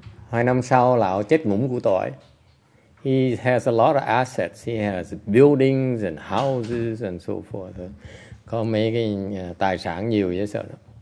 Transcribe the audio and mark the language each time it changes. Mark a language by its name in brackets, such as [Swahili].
[Vietnamese] 2 năm sau, lão chết ngủm của tội. [English] He has a lot of assets. He has buildings and houses and so forth. [Vietnamese] Có mấy cái tài sản nhiều dễ sợ đó.